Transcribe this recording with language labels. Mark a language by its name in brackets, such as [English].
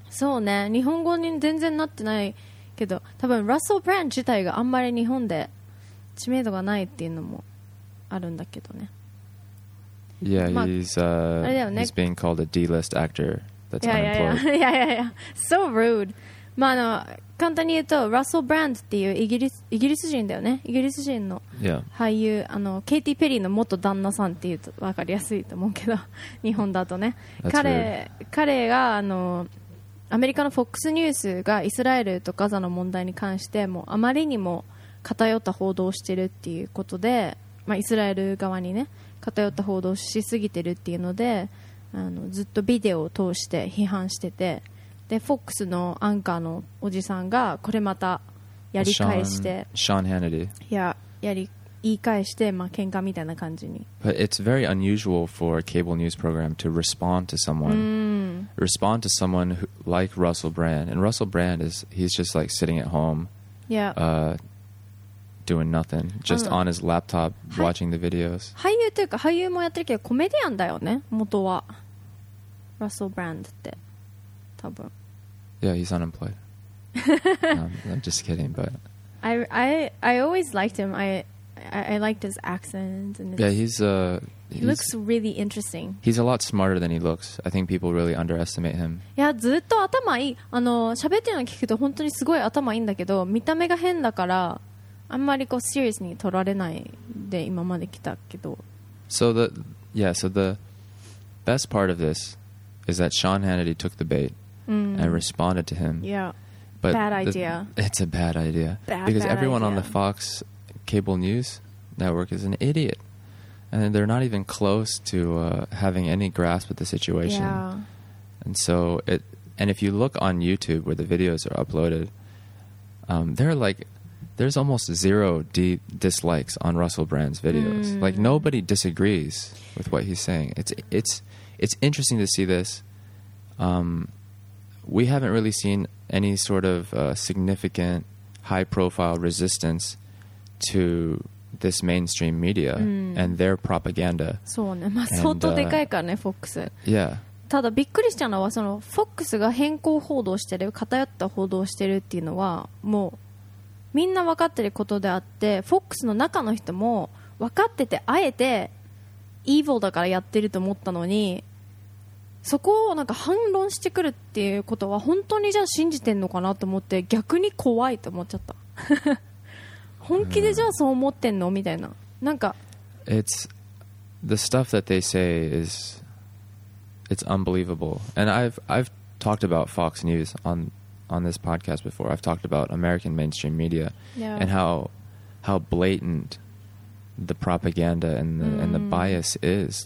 [Japanese] そうね、日本語に全然なってないけど、多分 Russell Brand 自体があんまり日本で知名度がないっていうのもあるんだけどね。 [English] Yeah, he's being called a D-list actor that's unemployed. Yeah. So rude. [Japanese] まああの簡単に言うと、ラッソル・ブランドっていうイギリス人だよね。イギリス人の俳優、 [English] yeah. [Japanese] あのケイティ・ペリーの元旦那さんっていうと分かりやすいと思うけど、日本だとね。彼があのアメリカの FOX ニュースがイスラエルとガザの問題に関してもうあまりにも偏った報道をしてるっていうことで、まあ、イスラエル側にね偏った報道しすぎてるっていうので、あのずっとビデオを通して批判してて、で FOX のアンカーのおじさんがこれまたやり返して [English] Sean Hannity [Japanese] いや、やり言い返して、まあ、喧嘩みたいな感じに。 [English] But it's very unusual for a cable news program to respond to someone respond to someone who, like Russell Brand. And Russell Brand is he's just like sitting at home doing nothing, just on his laptop watching the videos. [Japanese] 俳優というか俳優もやってるけどコメディアンだよね、元は Russell Brand って多分。 [English] Yeah, he's unemployed. I'm just kidding, but I always liked him. I liked his accent. And his, yeah, he looks really interesting. He's a lot smarter than he looks. I think people really underestimate him. [Japanese] Yeah, ずっと頭いい。あの、喋ってるの聞くと本当にすごい頭いいんだけど、見た目が変だからあんまりこう serious に取られないで今まで来たけど。 [English] So the best part of this is that Sean Hannity took the bait and responded to him. Yeah. But bad idea. It's a bad idea. Because everyone idea. On the Fox cable news network is an idiot. And they're not even close to having any grasp of the situation. Yeah. And so if you look on YouTube where the videos are uploaded, there's almost zero dislikes on Russell Brand's videos. Like nobody disagrees with what he's saying. It's interesting to see this. We haven't really seen any sort of significant high-profile resistance to this mainstream media and their propaganda. [Japanese] そうね、まあ相当でかいからね、FOX。 [English] Yeah. [Japanese] ただびっくりしたのはその FOX が変更報道してる、偏った報道してるっていうのはもうみんな分かってることであって、FOX の中の人も分かっててあえて evil だからやってると思ったのに。そこをなんか反論してくるっていうことは本当にじゃあ信じてんのかなと思って逆に怖いと思っちゃった本気でじゃあそう思ってんのみたいな。なんか [English] It's the stuff that they say is, it's unbelievable. And I've talked about Fox News on this podcast before. I've talked about American mainstream media and how blatant the propaganda and the, and the bias is.